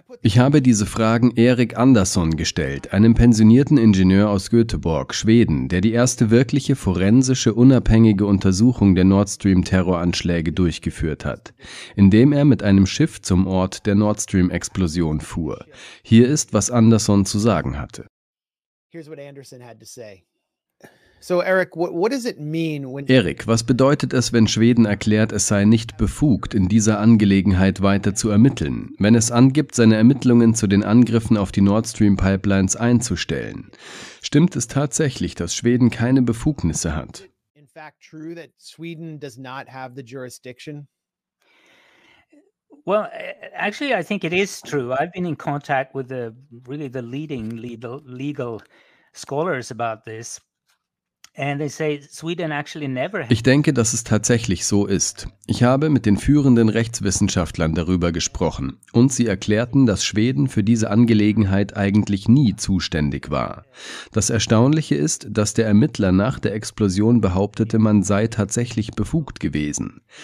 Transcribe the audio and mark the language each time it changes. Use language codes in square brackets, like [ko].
[de] Ich habe diese Fragen Erik Andersson gestellt, einem pensionierten Ingenieur aus Göteborg, Schweden, der die erste wirkliche forensische unabhängige Untersuchung der Nord Stream-Terroranschläge durchgeführt hat, indem er mit einem Schiff zum Ort der Nord Stream-Explosion fuhr. Hier ist, was Andersson zu sagen hatte. [en] Here's what Anderson had to say. So Eric, what does it mean when [de] Eric, was bedeutet es, wenn Schweden erklärt, es sei nicht befugt, in dieser Angelegenheit weiter zu ermitteln, wenn es angibt, seine Ermittlungen zu den Angriffen auf die Nord Stream Pipelines einzustellen? Stimmt es tatsächlich, dass Schweden keine Befugnisse hat? [en] In fact, true that Sweden does not have the jurisdiction? Well, actually I think it is true. I've been in contact with the leading legal scholars about this. And they say Sweden actually never [de] had. Ich denke, dass es tatsächlich so ist. Ich habe mit den führenden Rechtswissenschaftlern darüber gesprochen und sie erklärten, dass Schweden für diese Angelegenheit eigentlich nie zuständig war. Das Erstaunliche ist, dass der Ermittler nach der Explosion behauptete, man sei tatsächlich befugt gewesen.